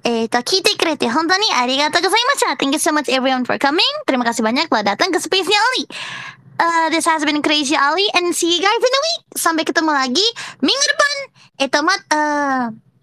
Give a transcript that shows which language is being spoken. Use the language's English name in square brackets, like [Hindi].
[Japanese] 聞いてくれて本当にありがとうございました。 [English] Thank you so much everyone for coming. [Indonesian] Terima kasih banyak telah datang ke space-nya Oli. [English] This has been Crazy Ali, and see you guys in the week! [Indonesian] Sampai ketemu lagi minggu depan!